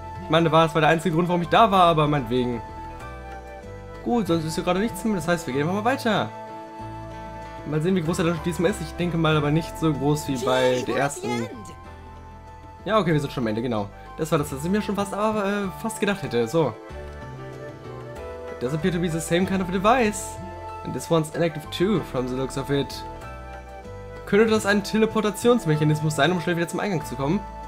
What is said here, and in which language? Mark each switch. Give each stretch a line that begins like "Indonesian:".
German: Ich meine, das war der einzige Grund, warum ich da war, aber meinetwegen. Gut, sonst ist hier gerade nichts mehr. Das heißt, wir gehen einfach mal weiter. Mal sehen, wie groß der Dungeon diesmal ist. Ich denke mal, aber nicht so groß wie bei der ersten. Ja, okay, wir sind schon am Ende, genau. Das war das, was ich mir schon fast gedacht hätte.
English: So. It does appear to be the same kind of a device. And this one's inactive too, from the looks of it.
German: Könnte das ein Teleportationsmechanismus sein, um schnell wieder zum Eingang zu kommen?